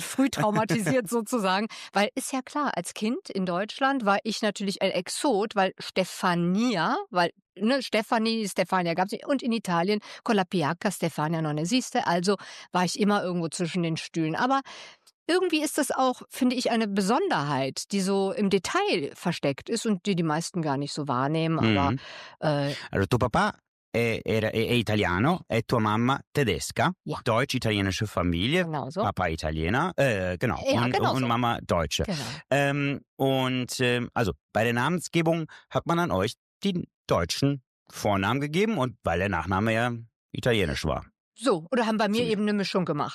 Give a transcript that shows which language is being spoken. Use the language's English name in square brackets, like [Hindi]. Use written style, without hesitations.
[German] früh traumatisiert sozusagen. Weil ist ja klar, als Kind in Deutschland war ich natürlich ein Exot, weil Stefania, weil ne, Stefanie, Stefania gab es nicht. Und in Italien, [Italian] con la PH, Stefania non esiste. [German] Also war ich immer irgendwo zwischen den Stühlen. Aber irgendwie ist das auch, finde ich, eine Besonderheit, die so im Detail versteckt ist und die die meisten gar nicht so wahrnehmen. Mhm. Aber [Italian] tuo papà è italiano e tua mamma tedesca, [German] ja. Deutsch-italienische Familie, genau so. Papa Italiener, genau, ja, und, genau und so. Mama Deutsche. Genau. Und also bei der Namensgebung hat man an euch den deutschen Vornamen gegeben, und weil der Nachname ja italienisch war. So, oder haben bei mir eben eine Mischung gemacht.